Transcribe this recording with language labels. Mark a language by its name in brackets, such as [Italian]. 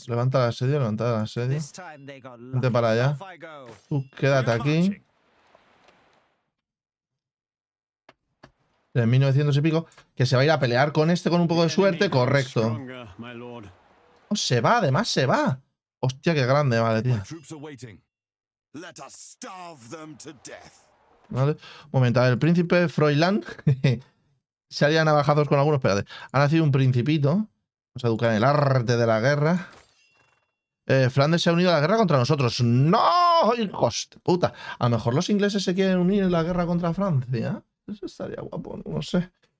[Spanish] Levanta el asedio, Vente para allá. Tú, quédate aquí. De 1900 y pico. Que se va a ir a pelear con este con un poco de suerte. Correcto. Oh, se va, además se va. Hostia, qué grande, vale, tío. [English] Let us starve them to death. [Spanish] Vale. Un momento, a ver, el príncipe Froilán se haría navajazos con algunos. Espérate, ha nacido un principito. Vamos a educar en el arte de la guerra. Flandes se ha unido a la guerra contra nosotros. ¡No! ¡Hijos de puta! A lo mejor los ingleses se quieren unir en la guerra contra Francia. Eso estaría guapo, no sé.